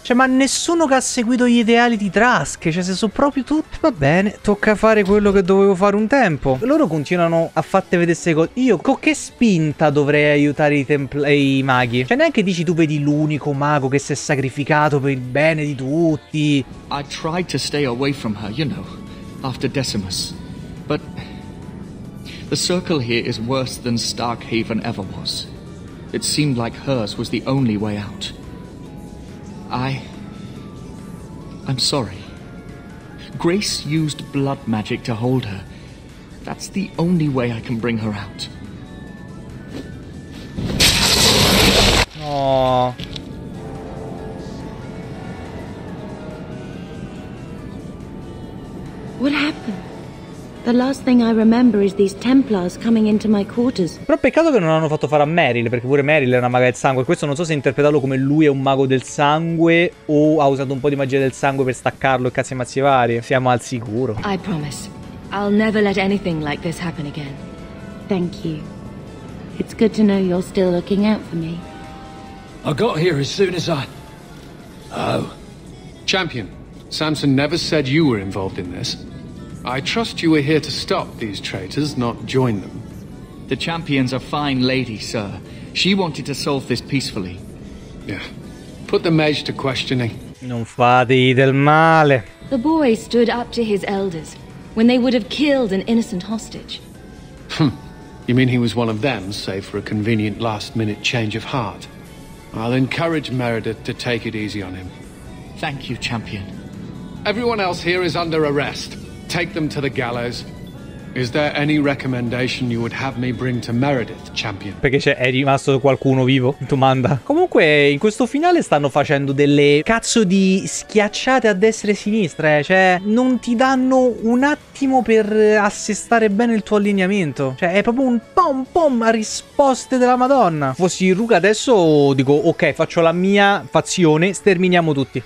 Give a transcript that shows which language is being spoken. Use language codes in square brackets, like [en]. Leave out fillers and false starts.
[it] Cioè, ma nessuno che ha seguito gli ideali di Trask. Cioè, se sono proprio tutti. Va bene, tocca fare quello che dovevo fare un tempo. Loro continuano a farti vedere queste cose. Io con che spinta dovrei aiutare i maghi? Cioè, neanche dici tu vedi l'unico mago che si è sacrificato per il bene di tutti. [en] I tried to stay away from her, you know, after Decimus. But the circle here is worse than Starkhaven ever was. It seemed like hers was the only way out. I'm sorry. Grace used blood magic to hold her. That's the only way I can bring her out. Aww. What happened? The last thing I remember is these Templars coming into my quarters. [it] Però peccato che non l'hanno fatto fare a Meryl, perché pure Meryl è una maga del sangue. Questo non so se interpretarlo come lui è un mago del sangue o ha usato un po' di magia del sangue per staccarlo e cazzi mazzi vari. Siamo al sicuro. [en] I promise. I'll never let anything like this happen again. Thank you. It's good to know you're still looking out for me. I got here as soon as I... Oh. Champion, Samson never said you were involved in this. I trust you were here to stop these traitors, not join them. The champion's a fine lady, sir. She wanted to solve this peacefully. Yeah. Put the mage to questioning. [it] Non fate del male. [en] The boy stood up to his elders when they would have killed an innocent hostage. You mean he was one of them, save for a convenient last-minute change of heart? I'll encourage Meredith to take it easy on him. Thank you, champion. Everyone else here is under arrest. Take them to the gallows. Is there any recommendation you would have me bring to Meredith, champion? [it] Perché c'è, è rimasto qualcuno vivo? Domanda. Comunque, in questo finale stanno facendo delle cazzo di schiacciate a destra e sinistra, cioè, non ti danno un attimo per assestare bene il tuo allineamento. Cioè, è proprio un pom pom a risposte della Madonna. Fossi Ruga adesso, dico, ok, faccio la mia fazione, sterminiamo tutti.